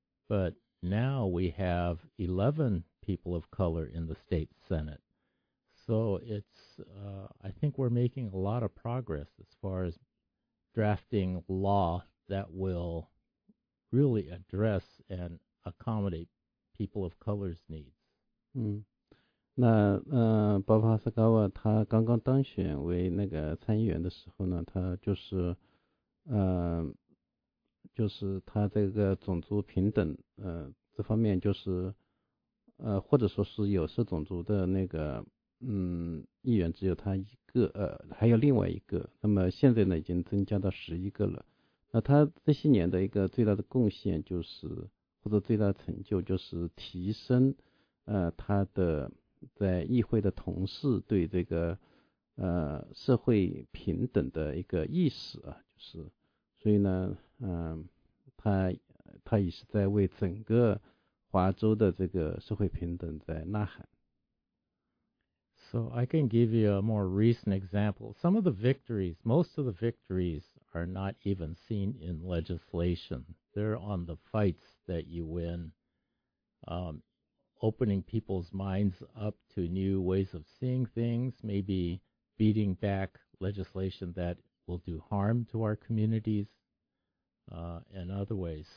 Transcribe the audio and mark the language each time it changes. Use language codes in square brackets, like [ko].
[en] But now we have 11 people of color in the state Senate. So it's, I think we're making a lot of progress as far as drafting law that will really address and accommodate people of color's needs. [zh] 嗯，那巴巴斯高瓦他刚刚当选为那个参议员的时候呢，他就是就是他这个种族平等这方面就是或者说是有色种族的那个议员只有他一个还有另外一个，那么现在呢已经增加到11个了。那他这些年的一个最大的贡献就是或者最大的成就就是提升他的在议会的同事对这个社会平等的一个意识啊，就是所以呢他也是在为整个华州的这个社会平等在呐喊。 [en] So I can give you a more recent example. Some of the victories, most of the victories are not even seen in legislation. They're on the fights that you win, opening people's minds up to new ways of seeing things, maybe beating back legislation that will do harm to our communities, and other ways.